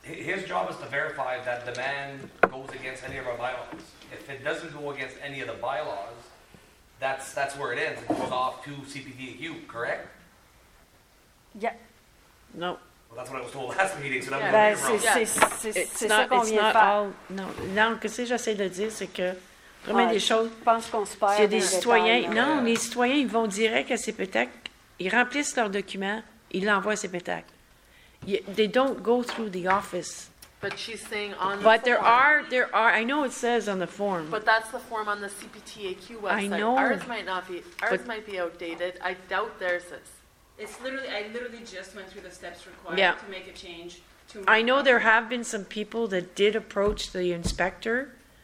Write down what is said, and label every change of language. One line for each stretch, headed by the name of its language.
English: His job is to verify that the man goes against any of our bylaws. If it doesn't go against any of the bylaws, that's where it ends. It goes off to CPTQ, correct? Yeah. No. Well, that's what I was told last meeting, so that would be wrong.
French: Non, qu'est-ce que j'essaie de dire, c'est que... Première des choses... Je pense qu'on se perd. C'est des citoyens... Non, les citoyens, ils vont direct à ces pétacles. Ils remplissent leurs documents, ils l'envoient à CPTAC.
English: They don't go through the office. But she's saying on but the form. But there are, I know it says on the form. But that's the form on the CPTAQ website. I know. Ours might be outdated. I doubt theirs is. I literally just went through the steps required to make a change. There have been some people that did approach the inspector.